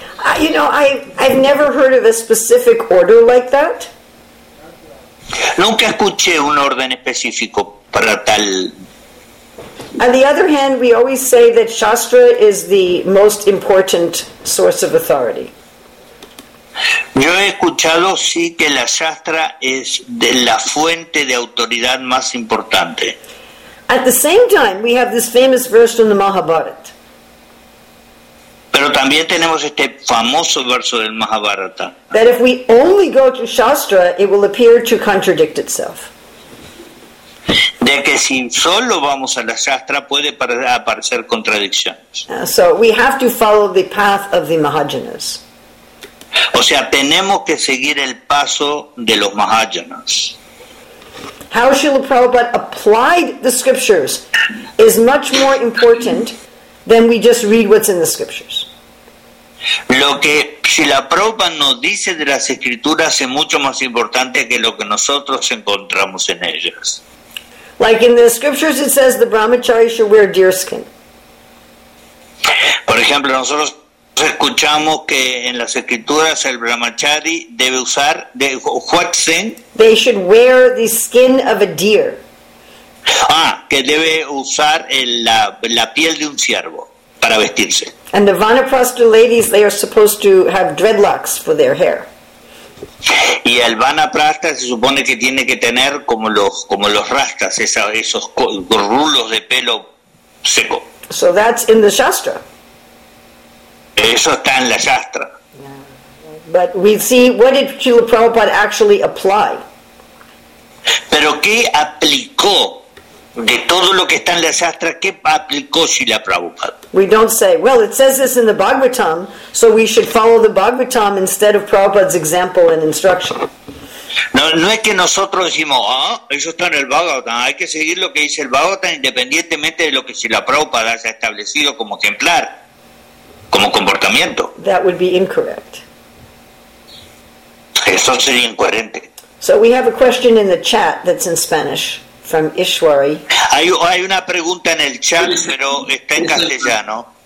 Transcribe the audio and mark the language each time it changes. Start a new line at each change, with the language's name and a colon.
English: I've never heard of a specific order like that.
Spanish: Nunca escuché un orden específico para tal.
English: On the other hand, we always say that Shastra is the most important source of authority.
Spanish: Yo he escuchado, sí, que la Shastra es de la fuente de autoridad más importante.
English: At the same time, we have this famous verse from the Mahabharata.
Spanish: Pero también tenemos este famoso verso del Mahabharata.
English: That if we only go to Shastra, it will appear to contradict itself.
Spanish: De que si solo vamos a la Shastra, puede aparecer contradicciones.
English: So we have to follow the path of the Mahajanas.
Spanish: O sea, tenemos que seguir el paso de los Mahajanas.
English: How Srila Prabhupada applied the scriptures is much more important than we just read what's in the scriptures.
Spanish: Lo que Srila Prabhupada nos dice de las escrituras es mucho más importante que lo que nosotros encontramos en ellas.
English: Like in the scriptures it says the brahmachari should wear deer skin.
Spanish: Por ejemplo, nosotros escuchamos que en las escrituras el brahmachari debe usar de
English: what skin? They should wear the skin of a deer.
Spanish: Ah, que debe usar la piel de un ciervo para vestirse.
English: And the vanaprastha ladies, they are supposed to have dreadlocks for their hair.
Spanish: Y el vanaprastha se supone que tiene que tener como los rastas, esos rulos de pelo seco.
English: So that's in the Shastra.
Spanish: Eso está en la Shastra.
English: But we see, what did Srila Prabhupada actually apply?
Spanish: Pero ¿qué aplicó? De todo lo que está en la Shastra, ¿qué aplicó Srila Prabhupada?
English: We don't say, well, it says this in the Bhagavatam, so we should follow the Bhagavatam instead of Prabhupada's example and instruction.
Spanish: No es que nosotros decimos, eso está en el Bhagavatam, hay que seguir lo que dice el Bhagavatam independientemente de lo que Srila Prabhupada haya establecido como ejemplar, como comportamiento.
English: That would be incorrect.
Spanish: Eso sería incoherente.
English: So we have a question in the chat that's in Spanish. From Ishwari.
Spanish: Hay una pregunta en el chat, pero está en castellano.